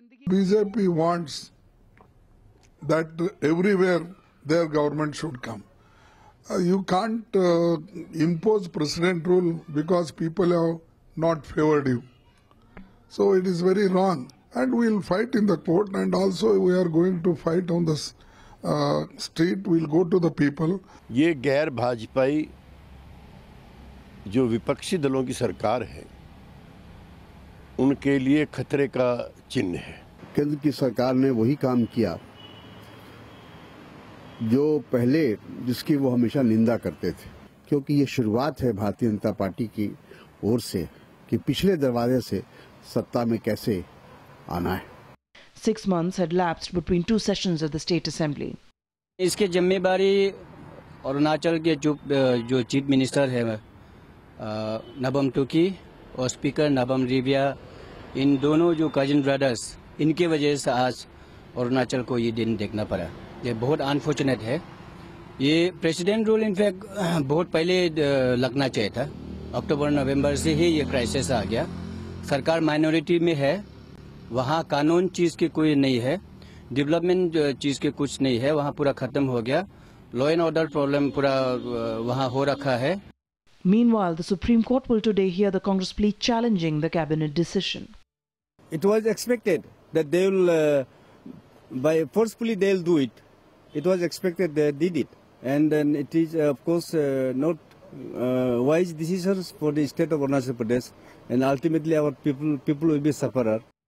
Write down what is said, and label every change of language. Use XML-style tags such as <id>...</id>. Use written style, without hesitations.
<en>BJP wants that everywhere their government should come. You can't impose president rule because people have not favored you. So it is very wrong. And we'll fight in the court, and also we are going to fight on this. Street will go to the people.</en> <hi>ये गैर भाजपाई जो विपक्षी दलों की सरकार है उनके लिए खतरे का चिन्ह है. केंद्र की सरकार ने वही काम किया जो पहले जिसकी वो हमेशा निंदा करते थे, क्योंकि ये शुरुआत है भारतीय जनता पार्टी की ओर से कि पिछले दरवाजे से सत्ता में कैसे आना है.</hi> <en>6 months had lapsed between two sessions of the State Assembly.</en> <hi>इसके जिम्मेदारी अरुणाचल के जो चीफ मिनिस्टर है नबम टुकी और स्पीकर नबम रिबिया, इन दोनों जो कजिन ब्रदर्स, इनके वजह से आज अरुणाचल को ये दिन देखना पड़ा. ये बहुत अनफॉर्चुनेट है. ये प्रेसिडेंट रूल इनफैक्ट बहुत पहले लगना चाहिए था. अक्टूबर नवंबर से ही ये क्राइसिस आ गया. सरकार माइनॉरिटी में है, वहाँ कानून चीज की कोई नहीं है, डेवलपमेंट चीज के कुछ नहीं है, वहाँ पूरा खत्म हो गया. लॉ एंड ऑर्डर प्रॉब्लम पूरा वहाँ हो रखा है.</hi> <en>Meanwhile, the Supreme Court will today hear the Congress plea challenging the cabinet decision. It was expected that they will by forcefully they'll do it. It was expected they did it, and then it is of course not wise decisions for the state of Arunachal Pradesh, and ultimately our people will be sufferer.</en>